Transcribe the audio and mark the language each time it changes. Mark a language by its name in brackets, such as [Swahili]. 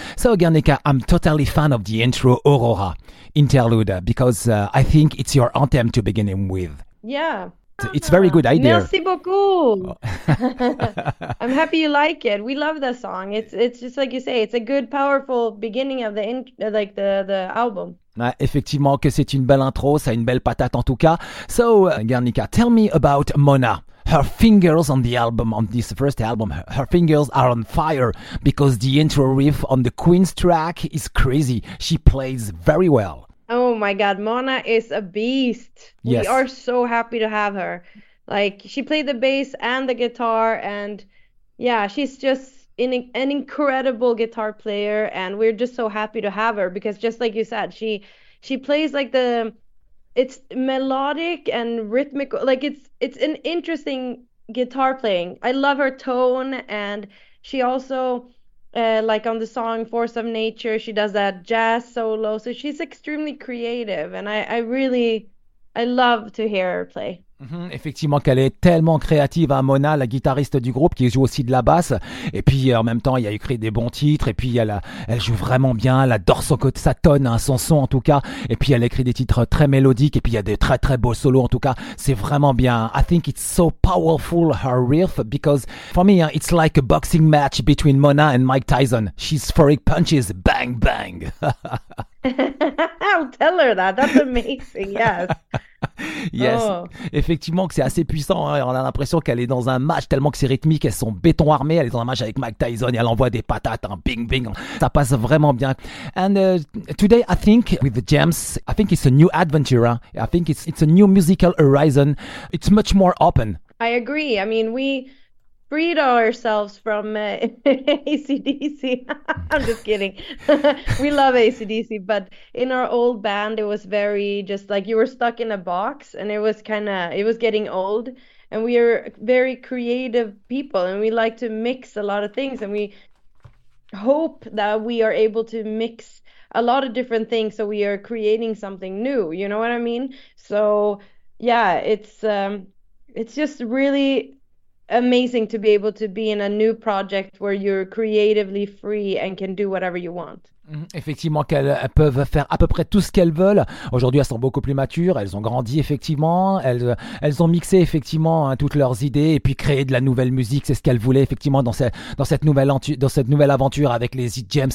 [English] So, Guernica, I'm totally fan of the intro Aurora interlude because I think it's your anthem to begin with. Yeah. It's a very good idea. [French] Merci beaucoup. [English] I'm happy you like it. We love the song. It's just like you say, it's a good, powerful beginning of the album. [French] Ah, effectivement, que c'est une belle intro, ça a une belle patate en tout cas. [English] So, Guernica, tell me about Mona. Her fingers on the album, on this first album, her fingers are on fire because the intro riff on the Queen's track is crazy. She plays very well. Oh my God, Mona is a beast. Yes. We are so happy to have her. Like, she played the bass and the guitar, and yeah, she's just an incredible guitar player, and we're just so happy to have her, because just like you said, she plays like the, it's melodic and rhythmical, like it's an interesting guitar playing. I love her tone, and she also... like on the song Force of Nature, she does that jazz solo. So she's extremely creative. And I love to hear her play. Mm-hmm. [French] Effectivement qu'elle est tellement créative à Mona, la guitariste du groupe qui joue aussi de la basse. Et puis en même temps, elle a écrit des bons titres. Et puis elle joue vraiment bien. Elle adore son côté, sa tonne, hein, son en tout cas. Et puis elle écrit des titres très mélodiques. Et puis il y a des très très beaux solos en tout cas. C'est vraiment bien. [English] I think it's so powerful her riff because for me, it's like a boxing match between Mona and Mike Tyson. She's throwing punches, bang bang. I'll tell her that. That's amazing. Yes. [French] Yes, oh. Effectivement que c'est assez puissant, hein. On a l'impression qu'elle est dans un match tellement que c'est rythmique, elles sont béton armé, elle est dans un match avec Mike Tyson et elle envoie des patates, hein. Bing bing, ça passe vraiment bien. [English] And today I think with The Gems, I think it's a new adventure, huh? I think it's a new musical horizon, it's much more open. I agree, I mean we freed ourselves from AC/DC, I'm just kidding, we love AC/DC, but in our old band, it was very just like you were stuck in a box, and it was kind of, it was getting old, and we are very creative people, and we like to mix a lot of things, and we hope that we are able to mix a lot of different things, so we are creating something new, you know what I mean? So yeah, it's just really amazing to be able to be in a new project where you're creatively free and can do whatever you want. [French] Effectivement, qu'elles peuvent faire à peu près tout ce qu'elles veulent. Aujourd'hui, elles sont beaucoup plus matures. Elles ont grandi, effectivement. Elles ont mixé, effectivement, hein, toutes leurs idées et puis créé de la nouvelle musique. C'est ce qu'elles voulaient, effectivement, dans cette nouvelle aventure avec les Z Gems.